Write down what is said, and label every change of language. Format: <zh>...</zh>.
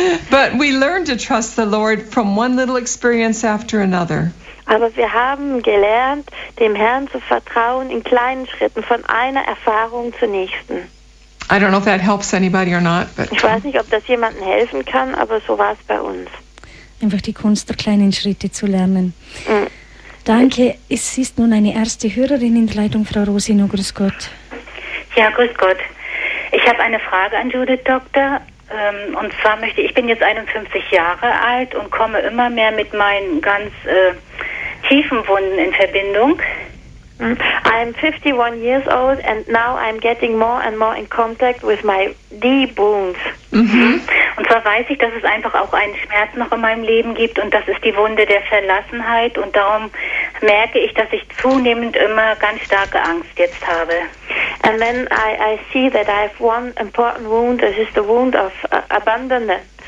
<en>But we learn to trust the Lord from one little experience after another.</en> <de>Aber wir haben gelernt, dem Herrn zu vertrauen in kleinen Schritten, von einer Erfahrung zur nächsten.</de> <en>I don't know if that helps anybody or not, but</en> <de>ich weiß nicht, ob das jemandem helfen kann, aber so war es bei uns. Einfach die Kunst der kleinen Schritte zu lernen. Danke, es ist nun eine erste Hörerin in der Leitung, Frau Rosino, grüß Gott. Ja, grüß Gott. Ich habe eine Frage an Judith, Doktor. Und zwar möchte ich bin jetzt 51 Jahre alt und komme immer mehr mit meinen ganz tiefen Wunden in Verbindung.</de> <en>I'm 51 years old and now I'm getting more and more in contact with my deep wounds.</en> <de>Und zwar weiß ich, dass es einfach auch einen Schmerz noch in meinem Leben gibt und das ist die Wunde der Verlassenheit und darum merke ich, dass ich zunehmend immer ganz starke Angst jetzt habe.</de> <en>And then I see that I have one important wound, this is the wound of abandonment.</en>